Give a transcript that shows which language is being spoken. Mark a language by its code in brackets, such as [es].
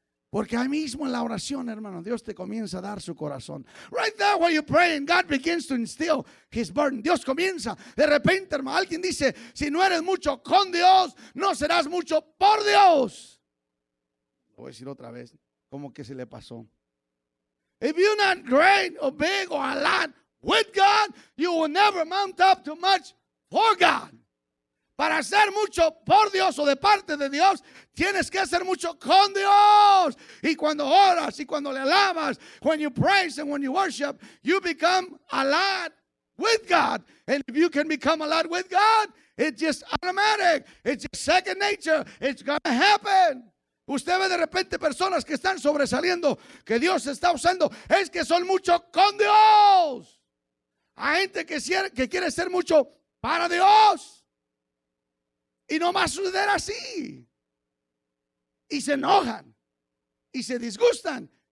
[es] Porque ahí mismo en la oración, hermano, Dios te comienza a dar su corazón. [en] Right there while you're praying, God begins to instill his burden. [es] Dios comienza. De repente, hermano, alguien dice, si no eres mucho con Dios, no serás mucho por Dios. Lo voy a decir otra vez. Como que se le pasó. [en] If you're not great or big or a lot with God, you will never mount up to much for God. [es] Para ser mucho por Dios o de parte de Dios, tienes que ser mucho con Dios. Y cuando oras y cuando le alabas, [en] when you praise and when you worship, you become a lot with God. And if you can become a lot with God, it's just automatic. It's just second nature. It's gonna happen. [es] Usted ve de repente personas que están sobresaliendo, que Dios está usando, es que son mucho con Dios. Hay gente que quiere ser mucho para Dios. Y no va a suceder así. Y se enojan. Y se disgustan.